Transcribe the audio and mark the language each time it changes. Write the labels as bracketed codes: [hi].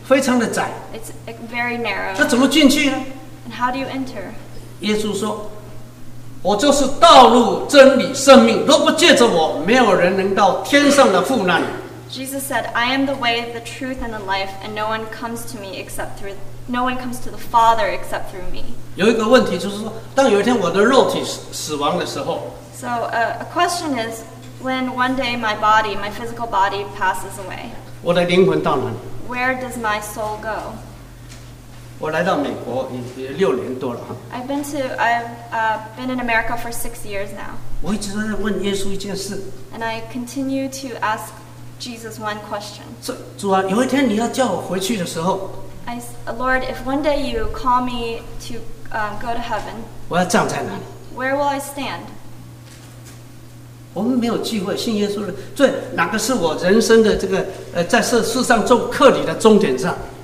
[zh] 非常的窄。 [en] It's very narrow. [zh] 那怎么进去呢？ [en] And how do you enter? [zh] 耶稣说，我就是道路、真理、生命，若不借着我，没有人能到天上的父那里。 [en] Jesus said, I am the way, the truth, and the life, and no one comes to me except through, no one comes to the Father except through me. [zh] 有一个问题就是说，当有一天我的肉体死亡的时候。 [en] So, a question is, when one day my body, my physical body passes away. [zh] 我的灵魂到哪里？ [en] Where does my soul go? [zh] 我来到美国也六年多了。 [en] I've been in America for 6 years now. [zh] 我一直在问耶稣一件事。 [en] And I continue to ask Jesus one question. [zh] 主啊，有一天你要叫我回去的时候。 [en] Lord, if one day you call me to go to heaven. [zh] 我要站在哪里？ [en] Where will I stand? [zh] 我们没有机会信耶稣的，最哪个是我人生的这个在这世上做客旅的终点站？